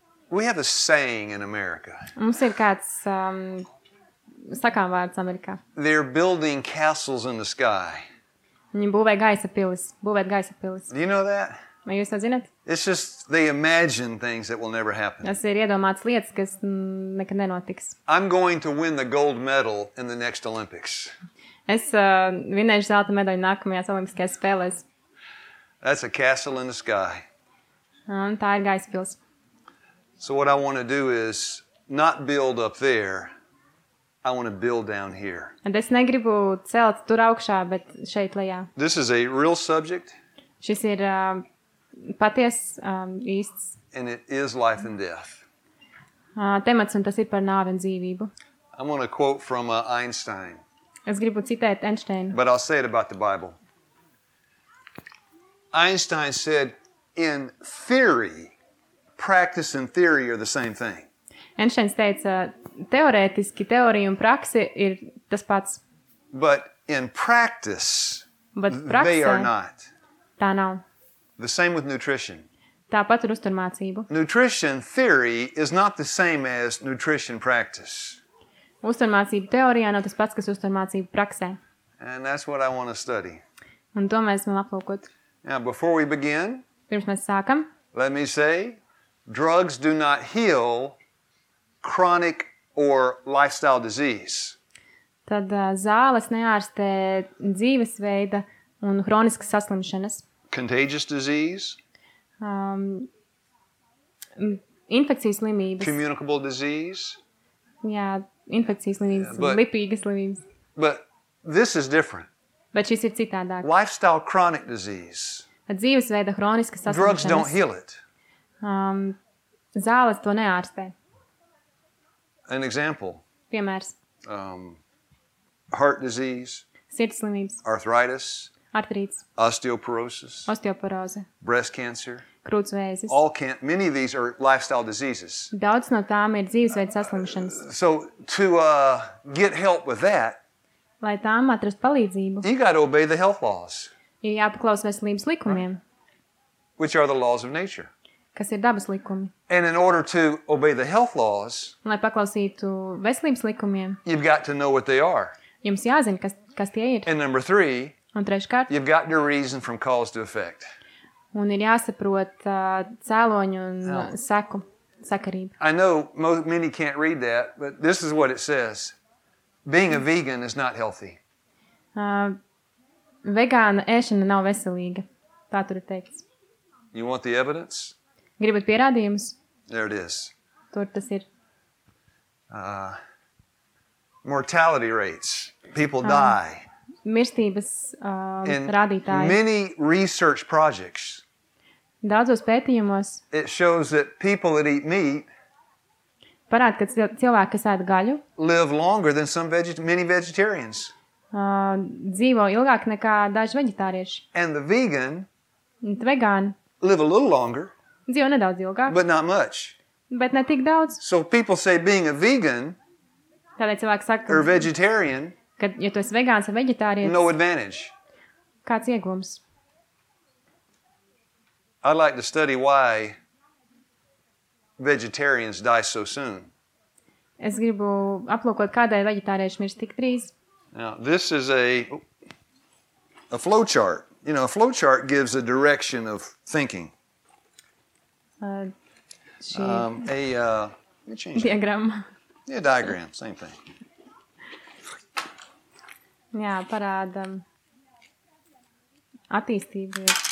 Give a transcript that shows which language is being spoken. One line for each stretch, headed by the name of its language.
English: We have a saying in America.
Latvian: Mums ir kāds sakāmvārds Amerikā.
English: They're building castles in the sky.
Latvian: Viņi būvē gaisa pilis. Būvēt gaisa pilis.
English: Do you know that?
Latvian: Vai jūs to zināt?
English: It's just they imagine things that will never happen.
Latvian: Tas ir iedomāts lietas, kas nekad nenotiks.
English: I'm going to win the gold medal in the next Olympics.
Latvian: Es vinnēšu zelta medaļu nākamajās olimpiskajās spēlēs.
English: That's a castle in the sky.
Latvian: Un tā ir gaisa pils.
English: So what I want to do is not build up there. I want to build down here.
Latvian: And es negribu celt tur augšā, bet šeit lejā.
English: This is a real subject.
Latvian: Šis ir paties īsts.
English: And it is life and death.
Latvian: Temats, un tas ir par nāvi un dzīvību.
English: I want to quote from Einstein.
Latvian: Es gribu citēt Einsteinu.
English: But I'll say it about the Bible. Einstein said, in theory, practice and theory are the same thing.
Latvian: Einsteins teica, teorētiski teorija un praksa ir tas pats.
English: But in practice,
Latvian: but praksa,
English: they are not.
Latvian: Tā nav.
English: The same with nutrition.
Latvian: Tāpat ar uzturmācību.
English: Nutrition theory is not the same as nutrition practice.
Latvian: Uzturmācība teorijā nav tas pats, kas uzturmācība praksē.
English: And that's what I want to study.
Latvian: Un to mēs esam aplūkot.
English: Now, before we begin,
Latvian: pirms mēs sākam,
English: let me say, drugs do not heal chronic or lifestyle disease.
Latvian: Tad zāles neārstē dzīvesveida un hroniskas saslimšanas.
English: Contagious disease.
Latvian: Infekcijas slimības.
English: Communicable disease.
Latvian: Jā, infekcijas slimības, lipīgas slimības.
English: But this is different.
Latvian: Bet šis ir citādāk.
English: Lifestyle chronic disease.
Latvian: Dzīvesveida hroniskas saslimšanas.
English: Drugs don't heal it.
Latvian: Zāles to neārstē.
English: An example.
Latvian: Piemērs.
English: Heart disease.
Latvian: Sirds slimības.
English: Arthritis.
Latvian: Artrīts.
English: Osteoporosis.
Latvian: Osteoporoze.
English: Breast cancer.
Latvian: Krūts vēzis.
English: All can many of these are lifestyle diseases.
Latvian: Daudz no tām ir dzīvesveids saslimšanas.
English: So to get help with that.
Latvian: Lai tām atrast palīdzību.
English: You got to obey the health laws.
Latvian: Ir jāpaklaus veselības likumiem.
English: Right. Which are the laws of nature.
Latvian: Kas ir dabas likumi.
English: And in order to obey the health laws,
Latvian: lai paklausītu veselības likumiem,
English: you've got to know what they are.
Latvian: Jums jāzina, kas tie ir.
English: And number three,
Latvian: un treškārt,
English: you've got to reason from cause to effect.
Latvian: Un ir jāsaprot cēloņu un seku sakarību.
English: I know many can't read that, but this is what it says. Being a vegan is not healthy.
Latvian: Vegāna ēšana nav veselīga. Tā tur ir teikts.
English: You want the evidence?
Latvian: Gribat pierādījumus?
English: There it is.
Latvian: Tur tas ir.
English: Mortality rates. People die.
Latvian: Mirstības rādītāji.
English: Many research projects.
Latvian: Daudzos pētījumos.
English: It shows that people that eat meat.
Latvian: Parād, ka cilvēki, kas ēd gaļu.
English: Live longer than some many vegetarians.
Latvian: Dzīvo ilgāk nekā daži vegetārieši.
English: And the vegan.
Latvian: Vegāni.
English: Live a little longer.
Latvian: Dzīvo nedaudz ilgāk.
English: But not much.
Latvian: Bet ne tik daudz.
English: So people say being a vegan.
Latvian: Tādēļ cilvēki saka.
English: Or vegetarian.
Latvian: Kad, ja tu esi vegāns vai vegetārietis.
English: No advantage.
Latvian: Kāds iegums?
English: I'd like to study why vegetarians die so soon.
Latvian: Es gribu aplūkot, kādēļ vegetārieši mirst tik drīz.
English: Now, this is a flow chart. You know, a flow chart gives a direction of thinking. Diagram. Yeah, diagram, same thing.
Latvian: Jā, parāda attīstību.